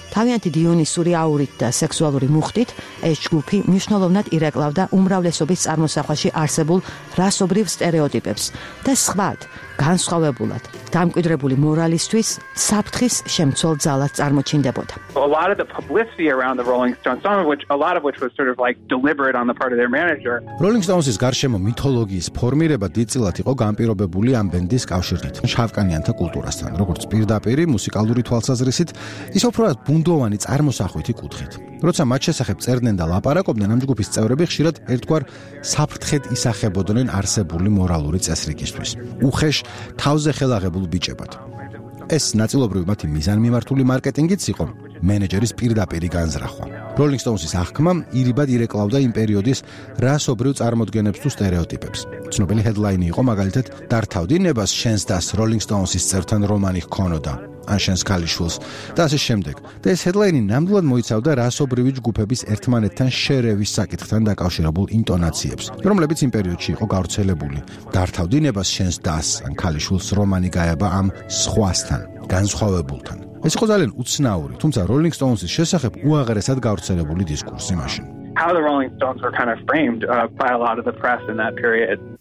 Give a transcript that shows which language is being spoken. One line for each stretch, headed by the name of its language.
Georgian: თავიანთი დიონისური აურით და სექსუალური მუხტით ეს ჯგუფი მნიშვნელოვნად ირეკლავდა უმრავლესობის წარმოსახვაში არსებულ რასობრივ სტერეოტიპებს და სხვათ განსხვავებულად დამკვიდრებული მორალისთვის საფრთხის შემცველ ძალად წარმოჩინდებოდა.
English: A lot of the publicity around the Rolling Stones, a lot of which was sort of like deliberate on the part of their manager.
Georgian: Rolling Stones-ის გარშემო მითოლოგიის ფორმირება დიდწილად იყო განპირობებული ამ ბენდის კავშირით შავკანიანთა კულტურასთან, როგორც პირდაპირი მუსიკალური თვალსაზრისით, ის უფრო ბუნდოვანი წარმოსახვითი კუთხით. როცა მათ შესახებ წერდნენ და ლაპარაკობდნენ, ამ ჯგუფის წევრები ხშირად ერთგვარ საფრთხედ ისახებოდნენ არსებული მორალური წესრიგისთვის, უხეშ თავზე ხელაღებულ ბიჭებად. ეს ნაწილობრივ მათი მიზანმიმართული მარკეტინგიც იყო, მენეჯერის პირდაპირი განზრახვა. Rolling Stones-ის აღქმა ირიბად ირეკლავდა იმ პერიოდის რასობრივ წარმოდგენებს თუ სტერეოტიპებს. ცნობილი ჰედლაინი იყო მაგალითად: დართავდი ნებას შენს დას Rolling Stones-ის წევრთან რომანი ჰქონოდა ან შენს ქალიშვილს და ასე შემდეგ. და ეს ჰედლაინი ნამდვილად მოიცავდა რასობრივი ჯგუფების ერთმანეთთან შერევის საკითხთან დაკავშირებულ ინტონაციებს, რომლებიც იმ პერიოდში იყო გავრცელებული: დართავდი ნებას შენს დას ან ქალიშვილს რომანი გაება ამ სხვასთან, განსხვავებულთან. ეს იყო ძალიან უცნაური, თუმცა Rolling Stones-ის შესახებ უაღრესად გავრცელებული დისკურსი მაშინ.
English: How the Rolling Stones were kind of framed by a lot of the press in that period.